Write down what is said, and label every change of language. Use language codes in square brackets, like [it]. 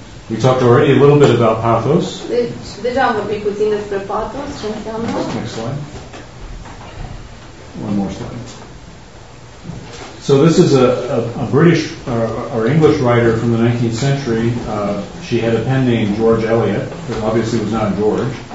[en] We talked already a little bit about pathos. [ro] Deci, deja am vorbit puțin despre pathos, ce înseamnă. [en] Next slide. One more slide. So this is a British or English writer from the 19th century. She had a pen name, George Eliot, but obviously was not George.